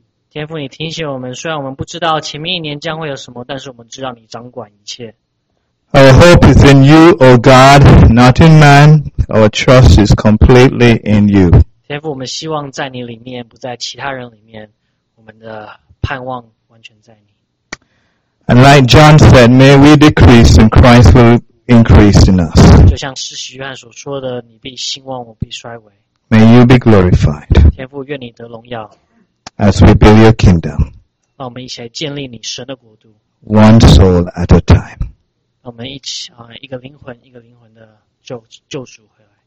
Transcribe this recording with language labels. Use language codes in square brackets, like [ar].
[zh] 天父，你提醒我们，虽然我们不知道前面一年将会有什么，但是我们知道你掌管一切。 [en] Our hope is in you, O God, not in man. Our trust is completely in you. [zh] 天父，我们希望在你里面，不在其他人里面。们的盼望完全在你。 [en] And like John said, may we decrease and Christ will increase in us. [zh] 就像施洗约翰所说的，你必兴旺，我必衰微。 [en] May you be glorified. [zh] 天父，愿你得荣耀。 [en] As we build your kingdom. [zh] 让我们一起来建立你神的国度。 [en] One soul at a time. [zh] 让我们一起啊，一个灵魂一个灵魂的救赎回来。